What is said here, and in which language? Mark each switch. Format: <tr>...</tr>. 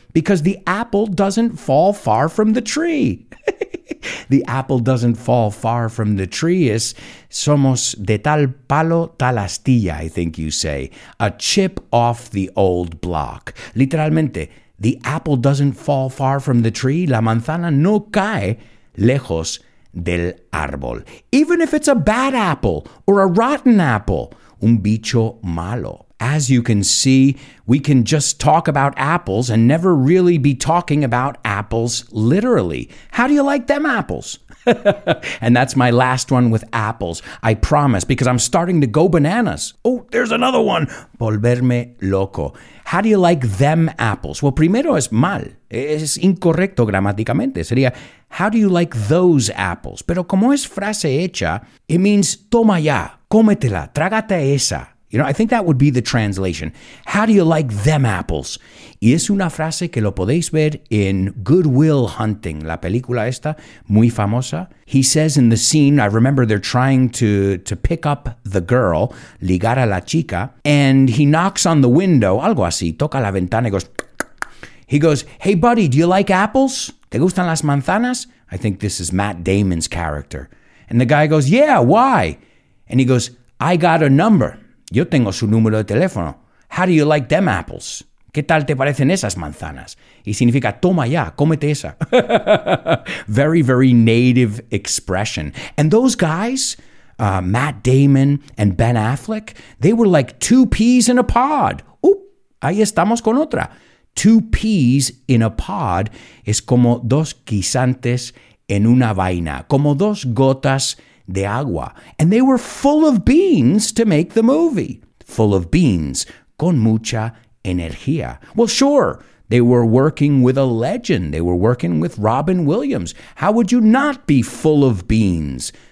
<en>Because the apple doesn't fall far from the tree. The apple doesn't fall far from the tree is</en> <es>somos de tal palo tal astilla,</es> <en>I think you say. A chip off the old block. Literalmente, the apple doesn't fall far from the tree.</en> <es>La manzana no cae lejos del árbol.</es> <en>Even if it's a bad apple or a rotten apple.</en> <es>Un bicho malo.</es> <en>As you can see, we can just talk about apples and never really be talking about apples literally. How do you like them apples? And that's my last one with apples, I promise, because I'm starting to go bananas. Oh, there's another one.</en> <es>Volverme loco.</es> <en>How do you like them apples?</en> <es>Well, primero es mal. Es incorrecto gramaticalmente. Sería,</es> <en>how do you like those apples?</en> <es>Pero como es frase hecha,</es> <en>it means</en> <es>toma ya, cómetela, trágate esa.</es> <en>You know, I think that would be the translation. How do you like them apples?</en> <es>Y es una frase que lo podéis ver in Good Will Hunting, la película esta, muy famosa.</es> <en>He says in the scene, I remember they're trying to pick up the girl,</en> <es>ligar a la chica,</es> <en>and he knocks on the window,</en> <es>algo así, toca la ventana y</es> <en>goes, he goes, hey buddy, do you like apples?</en> <es>¿Te gustan las manzanas?</es> <en>I think this is Matt Damon's character. And the guy goes, yeah, why? And he goes, I got a number.</en> <es>Yo tengo su número de teléfono.</es> <en>How do you like them apples?</en> <es>¿Qué tal te parecen esas manzanas? Y significa, toma ya, cómete esa.</es> <en>Very, very native expression. And those guys, Matt Damon and Ben Affleck, they were like two peas in a pod.</en> <es>Oop, ahí estamos con otra.</es> <en>Two peas in a pod</en> <es>es como dos guisantes en una vaina. Como dos gotas de agua.</es> <en>And they were full of beans to make the movie. Full of beans.</en> <es>Con mucha energía.</es> <en>Well, sure, they were working with a legend. They were working with Robin Williams. How would you not be full of beans?</en>